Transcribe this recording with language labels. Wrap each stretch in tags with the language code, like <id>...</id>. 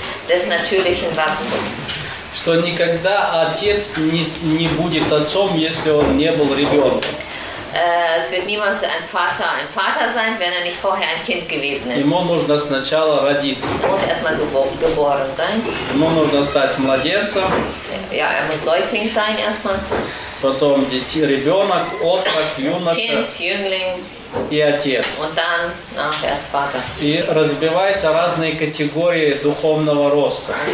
<de>des natürlichen Wachstums.</de> <ru>Что никогда отец не будет отцом, если он не был ребенком.</ru> <de>Es wird niemals ein Vater sein, wenn nicht vorher ein Kind gewesen ist.</de> <ru>Ему нужно сначала родиться.</ru> <de>Er muss erstmal geboren sein.</de> <ru>Ему нужно стать младенцем.</ru> <de>Ja, er muss Säugling sein erstmal.</de> <ru>Потом дети, ребенок, отрок, юноша,</ru> <de>kind, jüngling,</de> <ru>и отец.</ru> <de>Dann, erst Vater.</de> <ru>И разбиваются разные категории духовного роста.</ru>